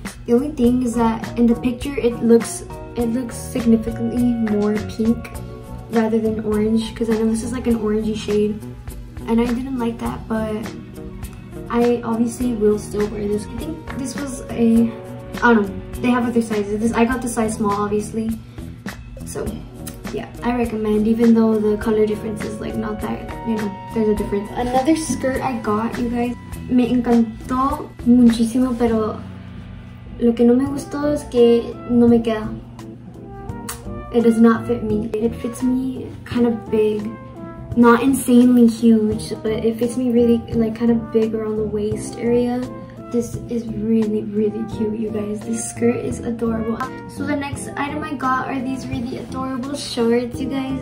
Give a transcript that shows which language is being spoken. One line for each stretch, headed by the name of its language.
English: The only thing is that in the picture it looks significantly more pink rather than orange, because I know this is like an orangey shade and I didn't like that, but I obviously will still wear this. I think this was a, I don't know, they have other sizes. This, I got the size small, obviously. So yeah, I recommend, even though the color difference is like not that, you know, there's a difference. Another skirt I got, you guys,
Spanish: me encantó muchísimo, pero lo que no me gustó es que no me queda.
English: It does not fit me. It fits me kind of big. Not insanely huge, but it fits me really, like, kind of big around the waist area. This is really, really cute, you guys. This skirt is adorable. So the next item I got are these really adorable shorts, you guys.